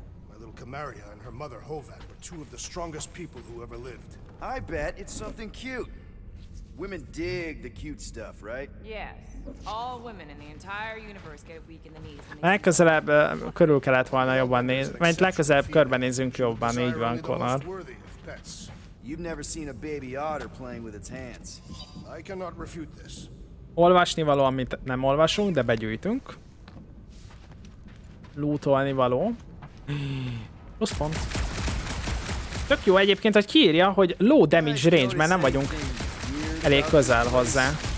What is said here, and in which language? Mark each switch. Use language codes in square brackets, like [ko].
[en] My little Camaria and her mother Hovat were two of the strongest people who ever lived. I bet it's something cute. Women dig the cute stuff, right? Yes. All women in the entire universe get weak in the knees. [hu] Legközelebb körül kellett volna jobban nézni. Mert legközelebb körbenézünk jobban, így van, Connor. [en] You've never seen a baby otter playing with its hands. I cannot refute this. [hu] Olvasni való, amit nem olvasunk, de begyűjtünk. Lootolni való. Plusz pont. Tök jó egyébként, hogy kiírja, hogy [en] low damage range, [hu] mert nem vagyunk elég közel hozzá.